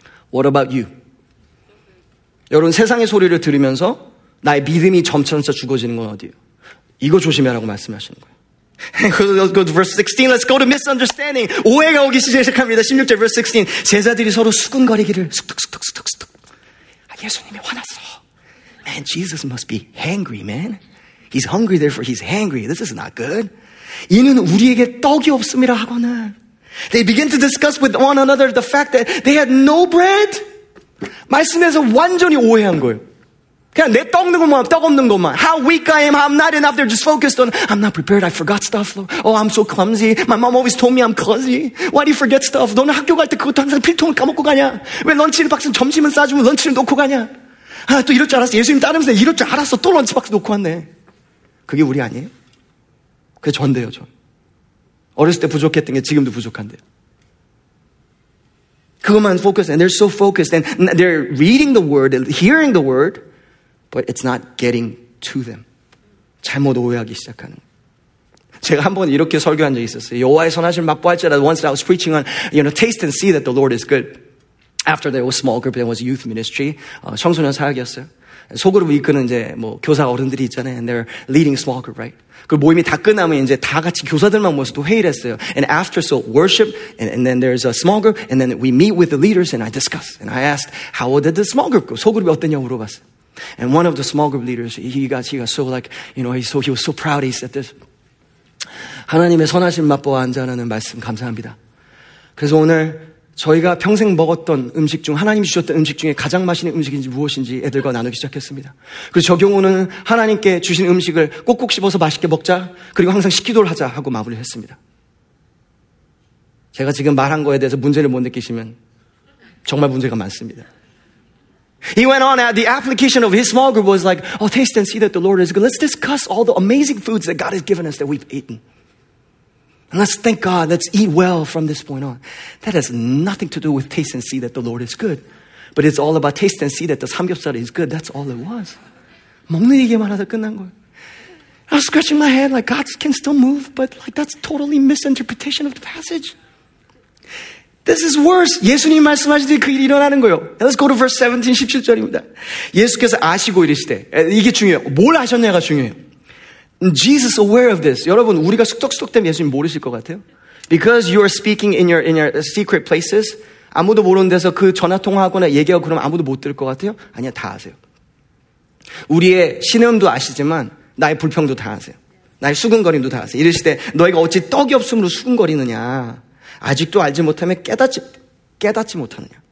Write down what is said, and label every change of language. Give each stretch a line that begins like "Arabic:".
English: What about you?
Korean: 여러분, 세상의 소리를 들으면서 나의 믿음이 점차 죽어지는 건 어디예요? 이거 조심해라고 말씀하시는 거예요.
English: Let's go to verse 16. Let's go to misunderstanding.
Korean: 오해가 오기 시작합니다. 16절
English: verse 16.
Korean: 제자들이 서로 수군거리기를 숙득숙득숙득숙득. 예수님이 화났어.
English: Man, Jesus must be hangry, man. He's hungry, therefore he's hangry. This is not good.
Korean: 이는 우리에게 떡이 없음이라 하거늘.
English: They begin to discuss with one another the fact that they had no bread.
Korean: 말씀에서 완전히 오해한 거예요. 그냥 내 떡 없는 것만, 떡 없는 것만.
English: How weak I am, I'm not enough. They're just focused on, I'm not prepared, I forgot stuff. Lord. Oh, I'm so clumsy. My mom always told me I'm clumsy. Why do you forget stuff?
Korean: 너는 학교 갈 때 그것도 항상 필통을 까먹고 가냐? 왜 런치를 박스 점심은 싸주면 런치를 놓고 가냐? 아, 또 이럴 줄 알았어. 예수님 따르면서 이럴 줄 알았어. 또 런치 박스 놓고 왔네. 그게 우리 아니에요? 그게 전대요, 전. 어렸을 때 부족했던 게 지금도 부족한데요. 그것만
English: focused. And they're so focused. And they're reading the word, hearing the word. But it's not getting to them.
Korean: 잘못 오해하기 시작하는. 제가 한번 이렇게 설교한 적이 있었어요. 여호와의 선하심을 맛보았지라.
English: Once I was preaching on, you know, taste and see that the Lord is good. After there was small group, there was youth ministry.
Korean: 청소년 사역이었어요. 소그룹 이끄는 이제 뭐 교사 어른들이 있잖아요.
English: And they're leading small group, right?
Korean: 그 모임이 다 끝나면 이제 다 같이 교사들만 모여서 또 회의를 했어요.
English: And after, so worship, and then there's a small group, and then we meet with the leaders, and I discuss. And I asked, how did the small group go?
Korean: 소그룹이 어땠냐고 물어봤어요.
English: And one of the small group leaders, he got so like, you know, he was so proud. He said this.
Korean: 하나님의 선하심 맛보아 안전하는 말씀 감사합니다. 그래서 오늘 저희가 평생 먹었던 음식 중 하나님이 주셨던 음식 중에 가장 맛있는 음식인지 무엇인지 애들과 나누기 시작했습니다. 그래서 저 경우는 하나님께 주신 음식을 꼭꼭 씹어서 맛있게 먹자. 그리고 항상 식기도를 하자 하고 마무리를 했습니다. 제가 지금 말한 거에 대해서 문제를 못 느끼시면 정말 문제가 많습니다.
English: He went on at the application of his small group was like, oh, taste and see that the Lord is good. Let's discuss all the amazing foods that God has given us that we've eaten. And let's thank God. Let's eat well from this point on. That has nothing to do with taste and see that the Lord is good. But it's all about taste and see that the 삼겹살 is good. That's all it was.
Korean: 먹는 얘기만 하다 끝난 거예요.
English: I was scratching my head like God can still move, but like that's totally misinterpretation of the passage. This is worse.
Korean: 예수님 말씀하실 때 그 일이 일어나는 거예요.
English: Let's go to verse 17,
Korean: 17절입니다. 예수께서 아시고 이르시되. 이게 중요해요. 뭘 아셨냐가 중요해요.
English: Jesus aware of this.
Korean: 여러분, 우리가 쑥덕쑥덕 되면 예수님 모르실 것 같아요.
English: Because you are speaking in your secret places.
Korean: 아무도 모르는 데서 그 전화통화하거나 얘기하고 그러면 아무도 못 들을 것 같아요? 아니요, 다 아세요. 우리의 신음도 아시지만 나의 불평도 다 아세요. 나의 수근거림도 다 아세요. 이르시되 너희가 어찌 떡이 없음으로 수근거리느냐. 아직도 알지 못하면 깨닫지 못하느냐.